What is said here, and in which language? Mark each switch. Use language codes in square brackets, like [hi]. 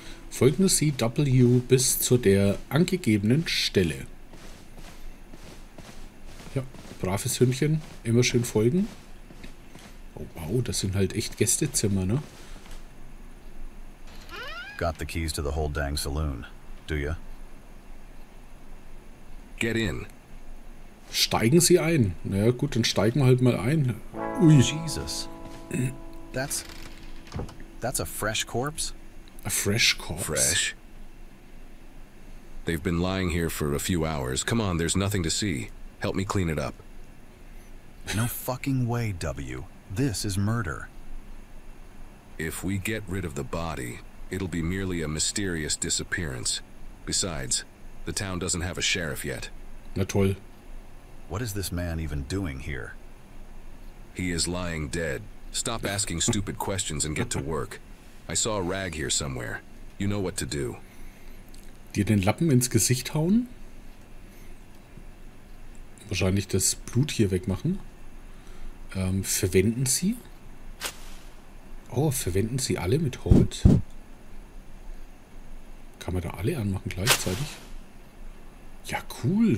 [de] Folgen Sie W bis zu der angegebenen Stelle. Ja, braves Hündchen. Immer schön folgen. Oh wow, das sind halt echt Gästezimmer, ne? [en] Got the keys to the whole dang saloon, do you? Get in. [de] Steigen Sie ein. Na ja, gut, dann steigen wir halt mal ein. [en] Ui. Jesus. That's a fresh corpse? A fresh corpse? Fresh? They've been lying here for a few hours. Come on, there's nothing to see. Help me clean it up. No fucking way, W. This is murder. If we get rid of the body, it'll be merely a mysterious disappearance. Besides... The town doesn't have a sheriff yet. [de] Na toll. [en] What is this man even doing here? He is lying dead. Stop asking stupid questions and get to work. I saw a rag here somewhere. You know what to do. [de] Dir den Lappen ins Gesicht hauen? Wahrscheinlich das Blut hier wegmachen. Verwenden Sie? Oh, verwenden Sie alle mit Holz? Kann man da alle anmachen gleichzeitig? Ja, cool.